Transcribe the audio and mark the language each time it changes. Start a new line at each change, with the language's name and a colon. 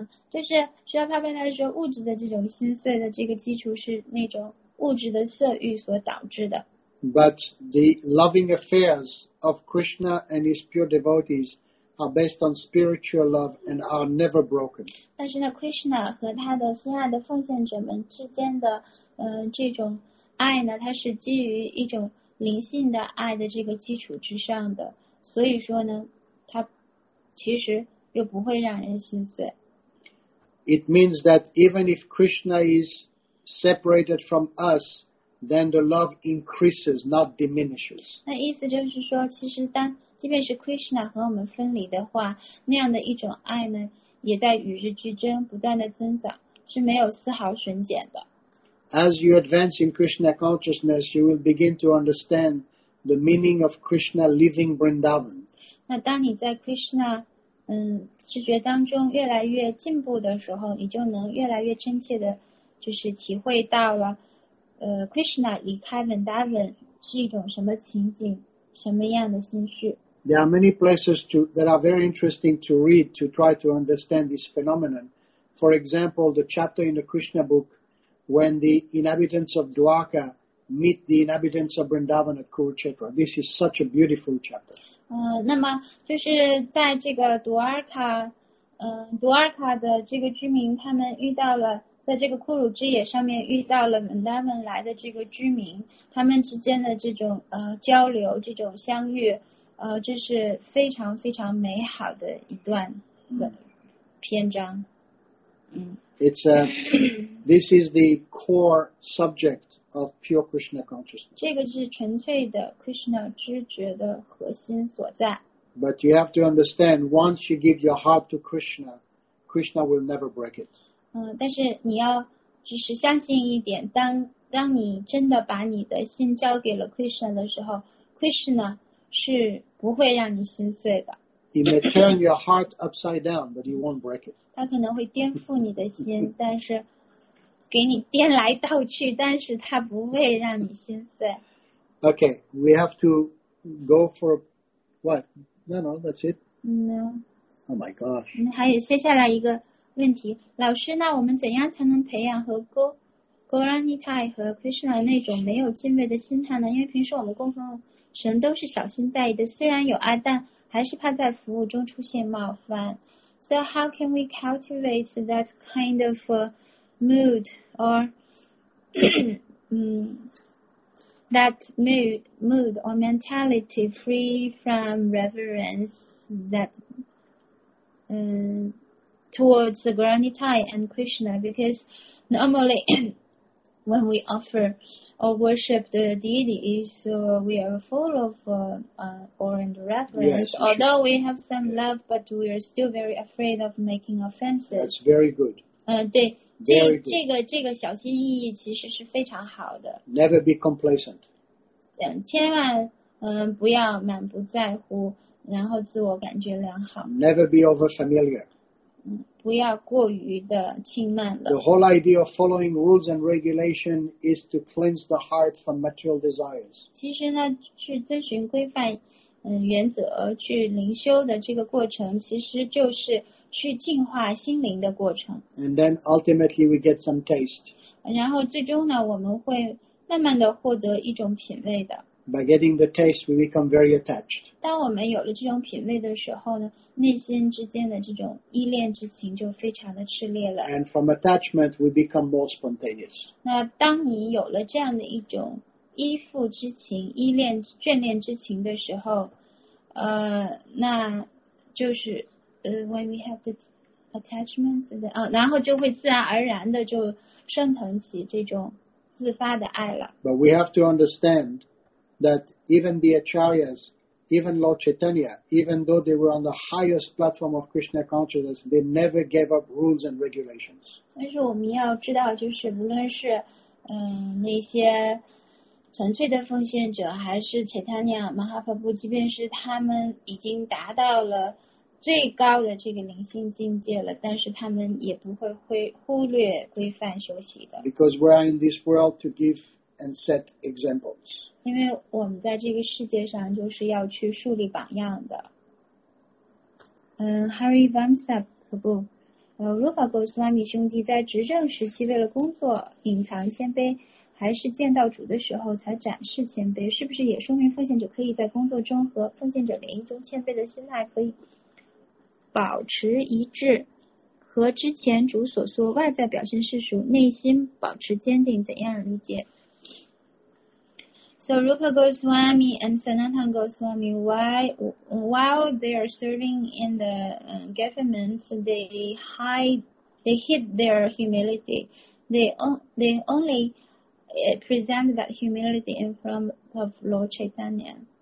Chinese: 就是需要 Prabhupada 他说，物质的这种心碎的这个基础是那种物质的色欲所导致的。
English: But the loving affairs of Krishna and his pure devotees. Are based on spiritual love and are never broken.
Chinese: 但是呢 ，Krishna 和他的心爱的奉献者们之间的，这种爱呢，它是基于一种灵性的爱的这个基础之上的。所以说呢，它其实又不会让人心碎。
English: It means that even if Krishna is separated from us, then the love increases, not diminishes.
Chinese: 那意思就是说，其实当即便是 Krishna 和我们分离的话，那样的一种爱呢，也在与日俱增，不断的增长，是没有丝毫损减的。
English: As you advance in Krishna consciousness, you will begin to understand the meaning of Krishna leaving Vrindavan.
Chinese: 那当你在 Krishna 知觉当中越来越进步的时候，你就能越来越真切的，就是体会到了，Krishna 离开 Vrindavan 是一种什么情景，什么样的心绪。
English: There are many places that are very interesting to read to try to understand this phenomenon. For example, the chapter in the Krishna book when the inhabitants of Dwarka meet the inhabitants of Vrindavan at Kurukshetra. This is such a beautiful chapter.
Chinese: 那么就是在这个 Dwarka 的这个居民他们遇到了在这个库鲁之野上面遇到了 Vrindavan 来的这个居民他们之间的这种交流这种相遇这是非常非常美好的一段的篇章。
English: This is the core subject of pure Krishna consciousness.
Chinese: 这个是纯粹的 Krishna 知觉的核心所在。
English: But you have to understand, once you give your heart to Krishna, Krishna will never break it.
Chinese: 但是你要只是相信一点，当你真的把你的心交给了 Krishna 的时候 ，Krishna 是不会让你心碎的。
English: He may turn your heart upside down, but he won't break it.
Chinese: 他可能会颠覆你的心，但是给你颠来倒去，但是他不会让你心碎。
English: Okay, we have to go for what? No, that's it. No. Oh my gosh.
Chinese: 我们还有接下来一个问题，老师，那我们怎样才能培养和Gauranitai 和 Krishna 那种没有敬畏的心态呢？因为平时我们供奉神都是小心在意的，虽然有阿旦。还是怕在服务中出现冒犯。
English: So how can we cultivate that kind of mood or that mood or mentality free from reverence that towards the Gauranitai and Krishna? Because normally when we offer or worship the deities, we are full of awe and reverence. Yes, although we have some love, but we are still very afraid of making offenses. That's very good.
Chinese: 对，这个小心翼翼其实是非常好的。
English: Never be complacent.
Chinese: 千万不要满不在乎，然后自我感觉良好。
English: Never be over familiar.
Chinese: 不要过于的轻慢了。
English: The whole idea of following rules and regulation is to cleanse the heart from material desires.
Chinese: 其实呢，去遵循规范、原则去灵修的这个过程，其实就是去净化心灵的过程。
English: And then ultimately we get some taste.
Chinese: 然后最终呢，我们会慢慢的获得一种品味的。
English: By getting the taste, we become very attached.
Chinese: 当我们有了这种品味的时候呢，内心之间的这种依恋之情就非常的炽烈了。
English: And from attachment, we become more spontaneous.
Chinese: 那当你有了这样的一种依附之情、依恋、眷恋之情的时候，那就是
English: when we have the attachment,
Chinese: 然后就会自然而然的就升腾起这种自发的爱了。
English: But we have to understand. That even the Acharyas, even Lord Chaitanya, even though they were on the highest platform of Krishna consciousness, they never gave up rules and regulations.
Chinese: 但是我们要知道，就是无论是那些纯粹的奉献者，还是 Chaitanya Mahaprabhu， 即便是他们已经达到了最高的这个灵性境界了，但是他们也不会忽略规范修习的。
English: Because we are in this world to give. And set examples.
Chinese: 因为我们在这个世界上就是要去树立榜样的。 Hari Vamsa Prabhu， 如果 Goswami 兄弟在执政时期为了工作隐藏谦卑，还是见到主的时候才展示谦卑，是不是也说明奉献者可以在工作中和奉献者联谊中谦卑的心态可以保持一致？和之前主所说外在表现世俗，内心保持坚定，怎样理解？
English: So Rupa Goswami and Sanatana Goswami, while they are serving in the government, they hid their humility. They only present that humility in front of Lord Chaitanya.